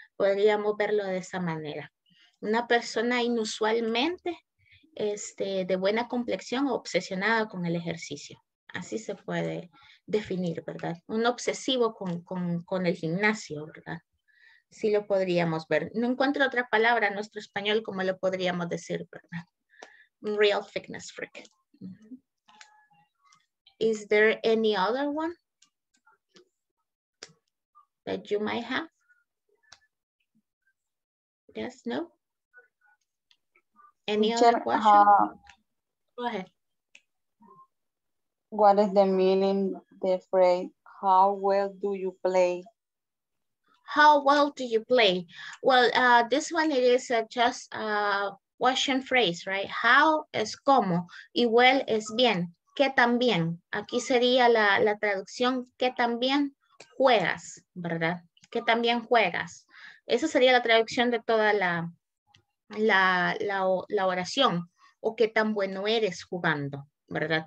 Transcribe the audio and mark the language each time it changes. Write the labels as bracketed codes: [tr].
[es] Podríamos verlo de esa manera. Una persona inusualmente de buena complexión o obsesionada con el ejercicio. Así se puede definir, ¿verdad? Un obsesivo con el gimnasio, ¿verdad? Sí lo podríamos ver. No encuentro otra palabra en nuestro español como lo podríamos decir, ¿verdad? [en] Real fitness freak. Is there any other one that you might have? Yes, no? Any other question? Go ahead. What is the meaning of the phrase, how well do you play? How well do you play? Well, this one it is just a question phrase, right? [es] How es como, y well es bien, que también. Aquí sería la traducción, que también juegas, ¿verdad? Que también juegas. Esa sería la traducción de toda la oración, o qué tan bueno eres jugando. ¿Verdad?